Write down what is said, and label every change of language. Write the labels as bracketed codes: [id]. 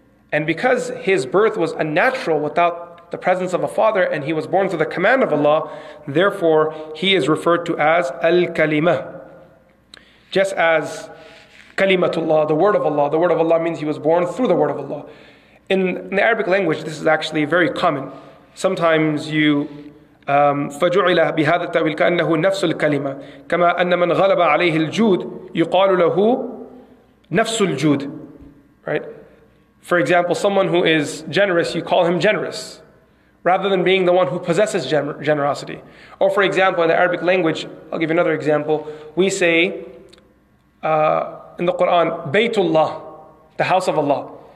[en] And because his birth was unnatural without the presence of a father, and he was born through the command of Allah, therefore he is referred to as al-kalima. Just as kalimatullah, the word of Allah. The word of Allah means he was born through the word of Allah. In the Arabic language, this is actually very common. Sometimes you [ar] فجعل بهذا التأويل كأنه نفس الكلمة كما أن من غلب عليه الجود يقال له نفس الجود. [en] Right? For example, someone who is generous, you call him generous, rather than being the one who possesses generosity. Or for example, in the Arabic language, I'll give you another example. We say in the Quran, Baytullah, the house of Allah.